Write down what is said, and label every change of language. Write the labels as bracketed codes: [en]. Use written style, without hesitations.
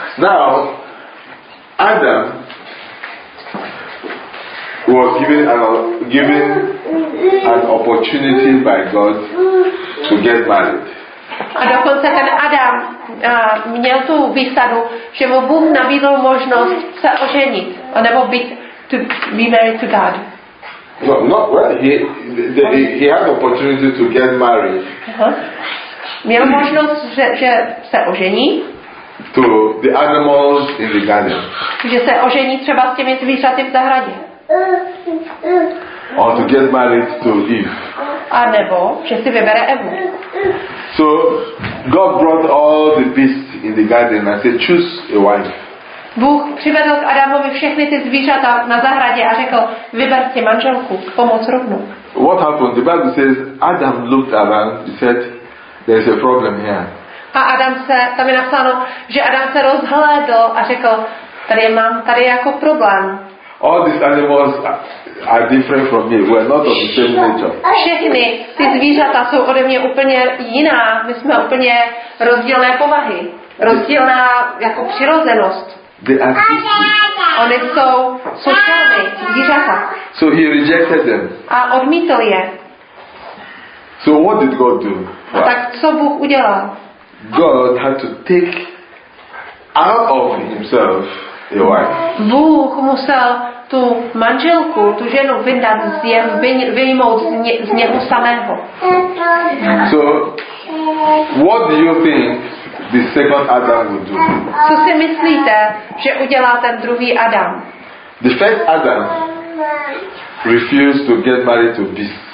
[en] Now, Adam was given an opportunity by God to get married. [cs] A dokonce ten Adam měl tu výsadu, že mu Bůh nabídl možnost se oženit, nebo [en] be married to God. No, not well. He had opportunity to get married. [cs] Uh-huh. Měl možnost, že se ožení. [en] To the animals in the garden. [cs] Že se ožení třeba s těmi zvířaty v zahradě. [en] Or to get married to Eve. [cs] A nebo že si vybere Evu. [en] So God brought all the beasts in the garden and said, choose a wife. [cs] Bůh přivedl k Adamovi všechny ty zvířata na zahradě a řekl, vyber si manželku, pomoc rovnou. [en] What happened? The Bible says Adam looked around, he said, there's a problem here. [cs] A Adam se, tam je napsáno, že Adam se rozhlédl a řekl, tady je jako problém. [en] All these animals are different from me. We are not of the same nature. [cs] Všechny ty zvířata jsou ode mě úplně jiná. My jsme úplně rozdílné povahy. Rozdílná jako přirozenost. [en] They are different. [cs] Oni jsou sociální zvířata. [en] So he rejected them. [cs] A odmítl je. [en] So what did God do? [cs] A tak co Bůh udělal? [en] God had to take out of himself. [cs] Bůh musel tu manželku, tu ženu vydat z jeho, vyjmout z něho samého. [en] So, what do you think the second Adam would do? [cs] Co si myslíte, že udělá ten druhý Adam? [en] The first Adam refused to get married to this.